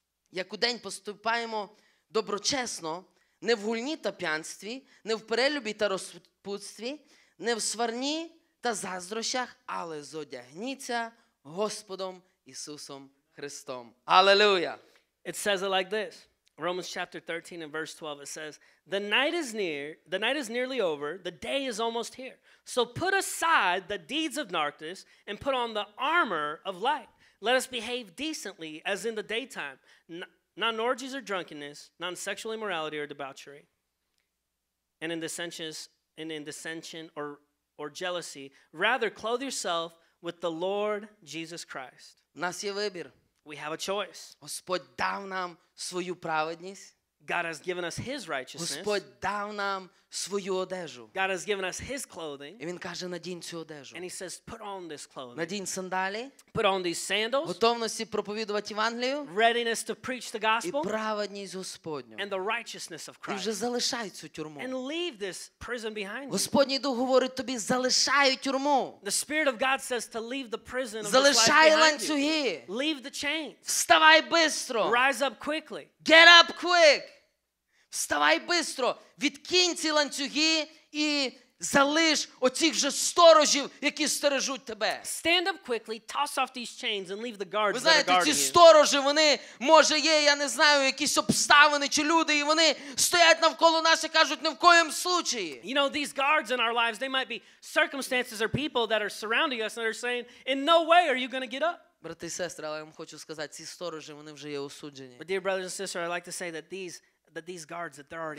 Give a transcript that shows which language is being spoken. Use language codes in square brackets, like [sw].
[uk] Як у день поступаємо доброчесно, не в гульні та п'янстві, не в перелюбі та розпутстві, не в сварні та заздрощах, але заодягніться Господом Ісусом Христом. Алелуя! [en] It says it like this. Romans chapter 13 and verse 12, it says, the night is near, the night is nearly over, the day is almost here. So put aside the deeds of darkness and put on the armor of light. Let us behave decently as in the daytime, not in orgies or drunkenness, not in sexual immorality or debauchery, and in dissension or jealousy. Rather, clothe yourself with the Lord Jesus Christ. [uk] Нас є вибір. [en] We have a choice. [uk] Господь дав нам свою праведність. [en] God has given us his righteousness. [uk] Господь дав нам свою одежу. [en] God has given us his clothing. [uk] І він каже, надінь цю одежу. [en] And he says, put on this clothing. [uk] Надінь сандалі. [en] Put on these sandals. [uk] Готовності проповідувати Євангелію. [en] Readiness to preach the gospel. [uk] І праведність Господню. [en] And the righteousness of Christ. [uk] І вже залишай цю тюрму. [en] And leave this prison behind you. [uk] Господній Дух говорить тобі, залишай тюрму. [en] The Spirit of God says to leave the prison of this life behind you. [uk] Залишай ланцюги. [en] Leave the chains. [uk] Вставай швидко. [en] Rise up quickly. Get up quick. [uk] Вставай швидко, відкинь ці ланцюги і залиш оцих же сторожів, які стережуть тебе. [en] Stand up quickly, toss off these chains and leave the guards that are guarding you. [uk] Ви знаєте, ці сторожі, вони, може, є, я не знаю, якісь обставини чи люди, і вони стоять навколо нас і кажуть, не в коєм случаї. [en] You know, these guards in our lives, they might be circumstances or people that are surrounding us and are saying, in no way are you going to get up. [uk] Брати і сестри, але я вам хочу сказати, ці сторожі, вони вже є осуджені. [en] But dear brothers and sisters, I'd like to say that these guards that they're already judged.